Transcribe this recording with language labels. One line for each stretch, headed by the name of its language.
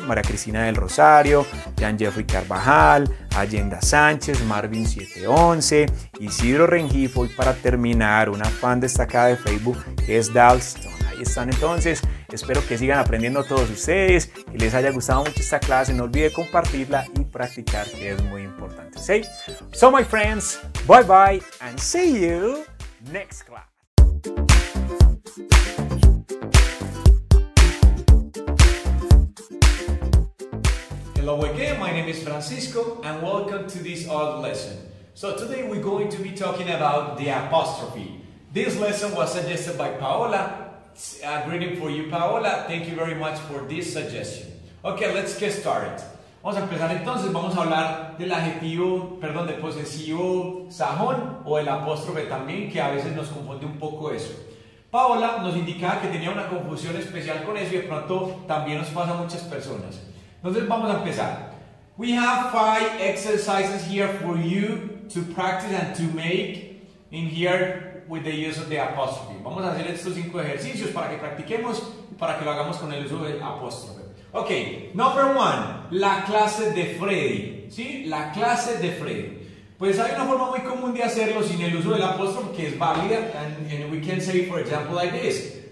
Spanish: María Cristina del Rosario, Jean Jeffrey Carvajal, Allenda Sánchez, Marvin711, Isidro Rengifo. Y para terminar, una fan destacada de Facebook, que es Dalston. Ahí están entonces. Espero que sigan aprendiendo todos ustedes, que les haya gustado mucho esta clase. No olvide compartirla y practicar, que es muy importante. ¿Sí?
English: So, my friends, bye bye and see you next class. Hello again, my name is Francisco and welcome to this odd lesson. So today we're going to be talking about the apostrophe. This lesson was suggested by Paola. A greeting for you, Paola. Thank you very much for this suggestion. Okay, let's get started.
Spanish: Vamos a empezar entonces. Vamos a hablar del adjetivo, perdón, del posesivo sajón o el apóstrofe también, que a veces nos confunde un poco eso. Paola nos indicaba que tenía una confusión especial con eso y de pronto también nos pasa a muchas personas. Entonces vamos a empezar.
English: We have 5 exercises here for you to practice and to make in here with the use of the apostrophe.
Spanish: Vamos a hacer estos 5 ejercicios para que practiquemos, para que lo hagamos con el uso del apóstrofe.
English: Ok, number 1,
Spanish: la clase de Freddy. ¿Sí? La clase de Freddy. Pues hay una forma muy común de hacerlo sin el uso del apóstrofe que es válida.
English: And we can say, for example, like this.